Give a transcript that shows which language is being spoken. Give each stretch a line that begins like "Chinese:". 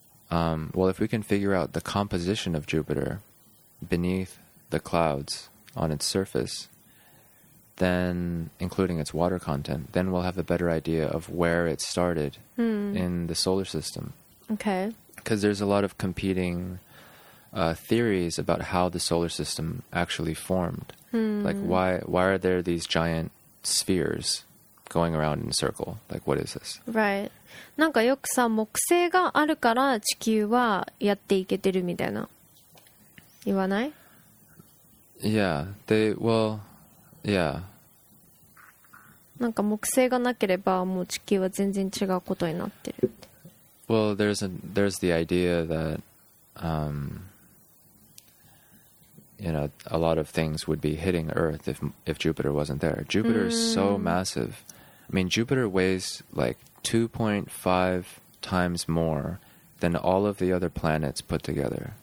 English: well, if we can figure out the composition of Jupiter beneath the clouds on its surface, then, including its water content, then we'll have a better idea of where it started、in the solar system. Okay. Because there's a lot of competing、theories about how the solar system actually formed.、Like, why are there these giant spheres going around in a circle? Like, what is this? Right.
Japanese: なんかよくさ木星があるから地球はやっていけてるみたいな言わない?
English: Yeah, they, well, yeah.
Japanese: なんか木星がなければもう地球は全然違うことになってるって。
English: Well, there's the idea that, you know, a lot of things would be hitting Earth if Jupiter wasn't there. Jupiter is so massive. I mean, Jupiter weighs like 2.5 times more than all of the other planets put together.